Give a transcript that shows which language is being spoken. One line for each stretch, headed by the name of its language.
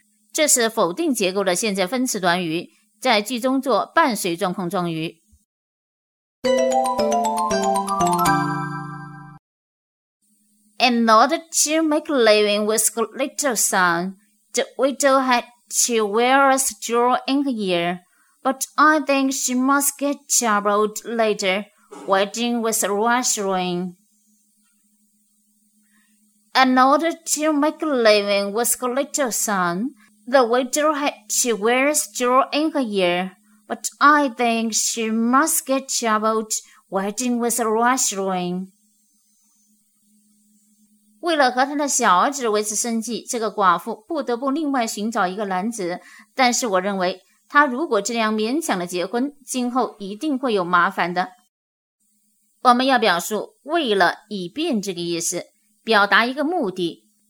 Chinese: 这是否定结构的现在分词短语，在句中做伴随状况状语。
English: In order to make a living with her little son, the widow had to wear a straw in her ear, but I think she must get troubled later, wedding with a rush ring. In order to make a living with her little son, the widow had to wear a straw in her ear, but I think she must get troubled wedding with a rush ring.
Chinese: 为了和他的小儿子维持生计，这个寡妇不得不另外寻找一个男子。但是我认为，他如果这样勉强的结婚，今后一定会有麻烦的。我们要表述为了以便这个意思，表达一个目的。